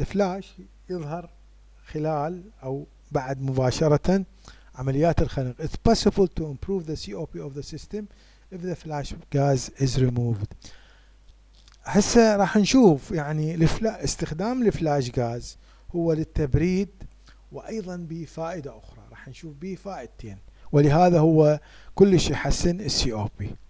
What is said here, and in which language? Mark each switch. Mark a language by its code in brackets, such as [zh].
[ar] الفلاش يظهر خلال او بعد مباشرة عمليات الخنق. [en] It's possible to improve the COP of the system if the flash gas is removed. [ar] هسه راح نشوف يعني استخدام الفلاش غاز هو للتبريد، وايضا بفائدة اخرى راح نشوف به فائدتين، ولهذا هو كلش يحسن COP.